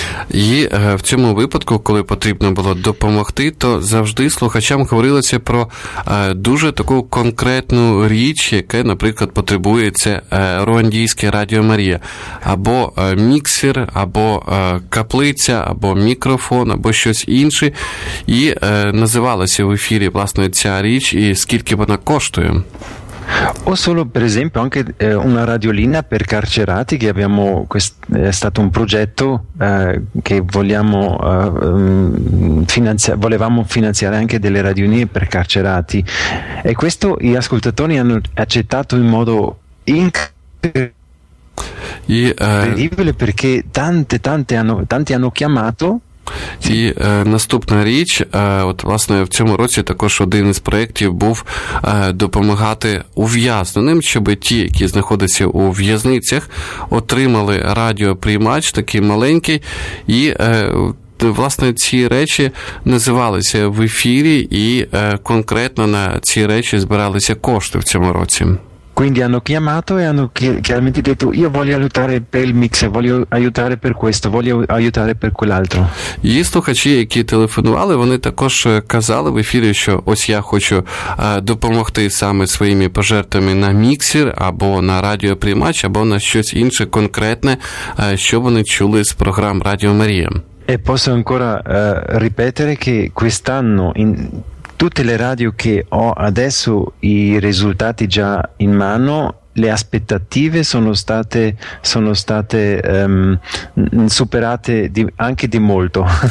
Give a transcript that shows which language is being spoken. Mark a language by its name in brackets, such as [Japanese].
[Ukrainian] І в цьому випадку, коли потрібно було допомогти, то завжди слухачам говорилося про дуже таку конкретну річ, яка, наприклад, потребує це руандійське Радіо Марія. Або міксер, або каплиця, або мікрофон, або щось інше. І називалася в ефірі, власне, ця річ і скільки вона коштує. [Italian] O solo per esempio anche una radiolina per carcerati, che abbiamo, è stato un progetto che volevamo finanziare anche delle radiolinee per carcerati, e questo gli ascoltatori hanno accettato in modo incredibile, perché tanti hanno chiamato. [Ukrainian] І наступна річ, от власне в цьому році також один із проєктів був допомагати ув'язненим, щоб ті, які знаходяться у в'язницях, отримали радіоприймач такий маленький, і власне ці речі називалися в ефірі, і конкретно на ці речі збиралися кошти в цьому році. [Italian] Quindi hanno chiamato e hanno chiaramente detto: io voglio aiutare per il mix, voglio aiutare per questo, voglio aiutare per quell'altro. [Ukrainian] І слухачі, які телефонували, вони також казали в ефірі, що ось я хочу допомогти саме своїми пожертвами на міксер, або на радіоприймач, або на щось інше конкретне, що вони чули з програм Радіо Марія. [Italian] E posso ancora ripetere che quest'anno in tutte le radio che ho adesso i risultati già in mano, le aspettative sono state superate anche di molto.